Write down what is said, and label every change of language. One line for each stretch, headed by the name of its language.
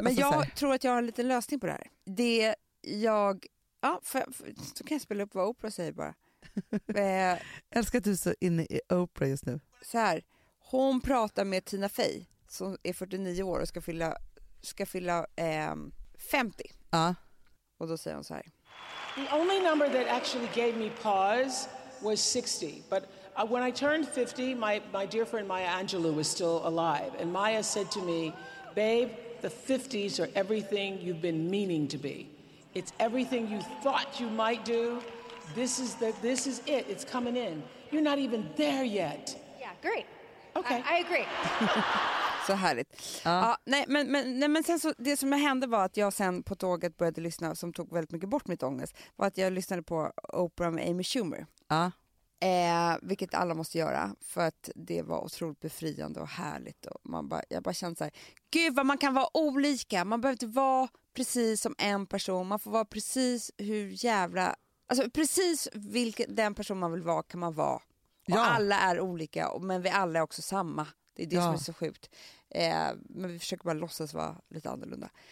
Swedish: Men jag tror att jag har en liten lösning på det här. Det jag... Ja, så kan jag spela upp vad Oprah säger bara. älskar att du så inne i Oprah just nu. Så här, hon pratar med Tina Fey som är 49 år och ska fylla 50. Ja. Och då säger hon så här.
English: The only number that actually gave me pause was 60, but when I turned 50, my dear friend Maya Angelou was still alive, and Maya said to me, babe, the 50s are everything you've been meaning to be. It's everything you thought you might do. This is it. It's coming in. You're not even there yet. Yeah, great. Okay. I agree.
Swedish: Så härligt. Nej, men sen så, det som hände var att jag sen på tåget började lyssna, som tog väldigt mycket bort mitt ångest, var att jag lyssnade på Oprah med Amy Schumer. Vilket alla måste göra, för att det var otroligt befriande och härligt, och jag bara kände så här, gud vad man kan vara olika, man behöver inte vara precis som en person, man får vara precis hur jävla, alltså precis vilken den person man vill vara kan man vara, och ja, alla är olika, men vi alla är också samma, det är det, ja, som är så sjukt, men vi försöker bara låtsas vara lite annorlunda.